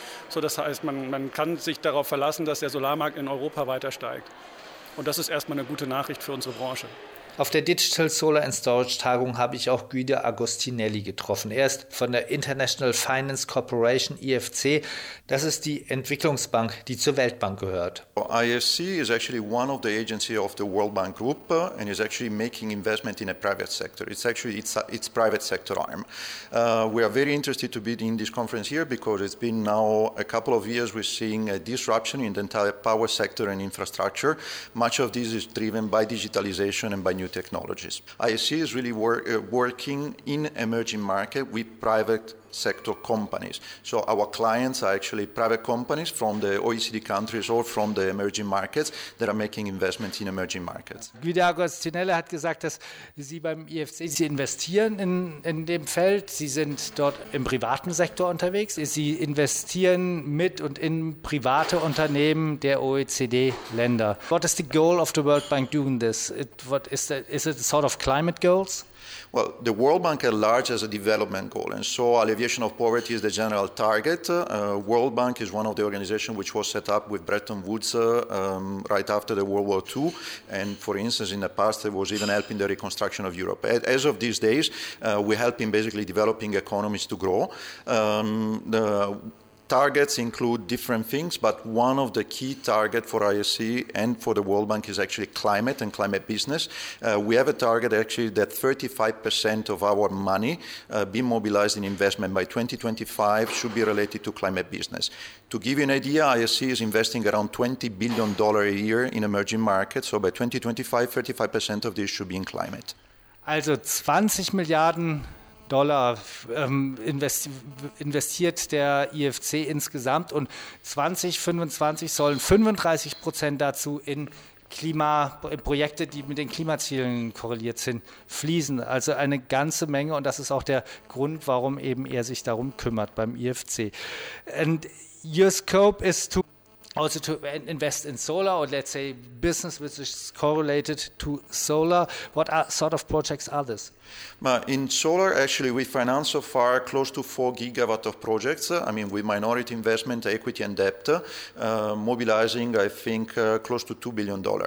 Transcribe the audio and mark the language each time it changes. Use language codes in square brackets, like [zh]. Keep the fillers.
[de] So, das heißt, man, man kann sich darauf verlassen, dass der Solarmarkt in Europa weiter steigt. Und das ist erstmal eine gute Nachricht für unsere Branche. Auf der Digital Solar and Storage Tagung habe ich auch Guido Agostinelli getroffen. Er ist von der International Finance Corporation IFC. Das ist die Entwicklungsbank, die zur Weltbank gehört. [en] IFC is actually one of the agency of the World Bank Group and is actually making investment in a private sector. It's actually its, its private sector arm. Uh, we are very interested to be in this conference here because it's been now a couple of years we're seeing a disruption in the entire power sector and infrastructure. Much of this is driven by digitalization and by new technologies. ISC is really wor uh, working in emerging market with private sector companies. So our clients are actually private companies from the OECD countries or from the emerging markets that are making investments in emerging markets. [de] Guido Agostinelli hat gesagt, dass Sie beim IFC Sie investieren in, in dem Feld. Sie sind dort im privaten Sektor unterwegs. Sie investieren mit und in private Unternehmen der OECD-Länder. [en] What is the goal of the World Bank doing this? It, what is, the, is it a sort of climate goals? Well, the World Bank at large has a development goal, and so alleviation of poverty is the general target. Uh, World Bank is one of the organizations which was set up with Bretton Woods uh, um, right after the World War II, and for instance, in the past, it was even helping the reconstruction of Europe. As of these days, uh, we're helping basically developing economies to grow. Um, the, targets include different things, but one of the key targets for ISC and for the World Bank is actually climate and climate business. Uh, we have a target actually that 35% of our money uh, be mobilized in investment by 2025 should be related to climate business. To give you an idea, ISC is investing around $20 billion a year in emerging markets, so by 2025, 35% of this should be in climate. [de] Also 20 Milliarden Dollar ähm, investi investiert der IFC insgesamt und 2025 sollen 35 Prozent dazu in Klima, in Projekte, die mit den Klimazielen korreliert sind, fließen. Also eine ganze Menge und das ist auch der Grund, warum eben er sich darum kümmert beim IFC. [en] And your scope is to also to invest in solar or let's say business which is correlated to solar. What are, sort of projects are this? In solar, actually, we finance so far close to 4 gigawatt of projects. I mean, with minority investment, equity, and debt, uh, mobilizing, I think, uh, close to $2 billion.